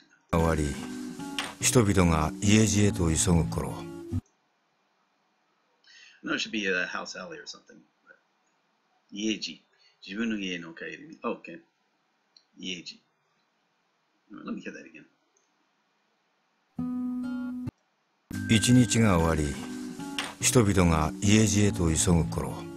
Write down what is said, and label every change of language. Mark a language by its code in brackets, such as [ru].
[ja] 終わり、人々が家路へと急ぐ頃。 [en] No, it should be a house alley or something. [ja] 家路、自分の家の帰りに。 [en] Okay. [ja] 家路。 [en] Let me hear that again. [ja] 一日が終わり、人々が家路へと急ぐ頃。